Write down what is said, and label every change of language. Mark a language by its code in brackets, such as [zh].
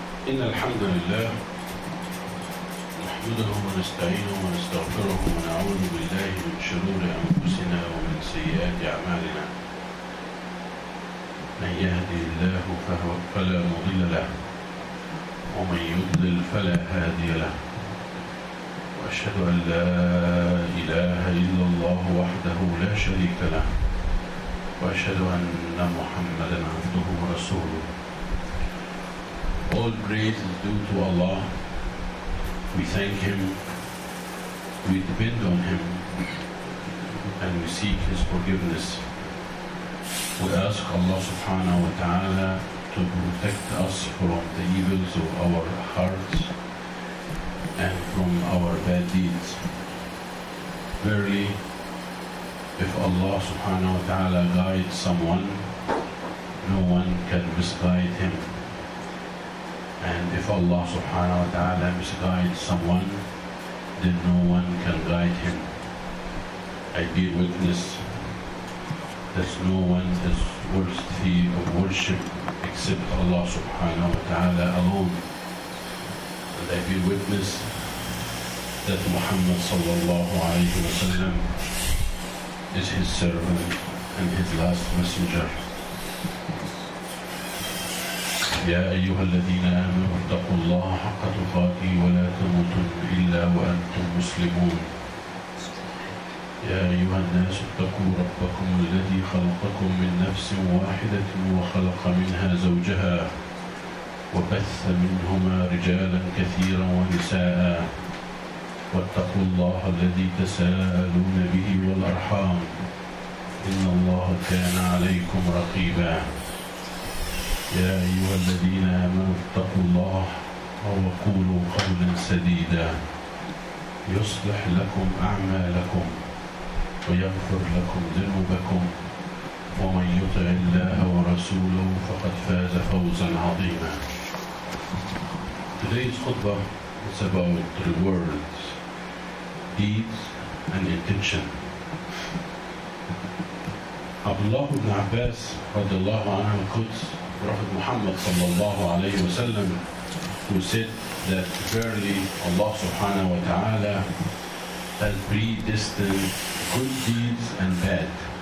[ar] إن الحمد لله، نحمده ونستعينه ونستغفره ونعوذ بالله من شرور أنفسنا ومن سيئات أعمالنا، من يهدي الله فلا مضل له، ومن يضلل فلا هادي له. وأشهد أن لا إله إلا الله وحده لا شريك له، وأشهد أن محمدا عبده ورسوله. [en] All praise is due to Allah. We thank Him, we depend on Him, and we seek His forgiveness. We ask Allah subhanahu wa ta'ala to protect us from the evils of our hearts and from our bad deeds. Verily, if Allah subhanahu wa ta'ala guides someone, no one can misguide him. And if Allah subhanahu wa ta'ala misguides someone, then no one can guide him. I bear witness that no one is worthy of worship except Allah subhanahu wa ta'ala alone. And I bear witness that Muhammad sallallahu alayhi wa sallam is his servant and his last messenger. [ar] يا أيها الذين آمنوا اتقوا الله حق تقاته ولا تموتن إلا وأنتم مسلمون. يا أيها الناس اتقوا ربكم الذي خلقكم من نفس واحدة وخلق منها زوجها وبث منهما رجالا كثيرا ونساء، واتقوا الله الذي تساءلون به والأرحام، إن الله كان عليكم رقيبا. يا أيها الذين آمنوا اتقوا الله وقولوا قولا سديدا يصلح لكم أعمالكم ويغفر لكم ذنوبكم، ومن يطع الله ورسوله فقد فاز فوزا عظيما. [en] Today's khutbah is about rewards, deeds and intention. Abdullah ibn Abbas [ar] رضي الله عنه قدس [en] Prophet Muhammad sallallahu alayhi wa sallam, who said that verily Allah subhanahu wa ta'ala has predestined good deeds and bad.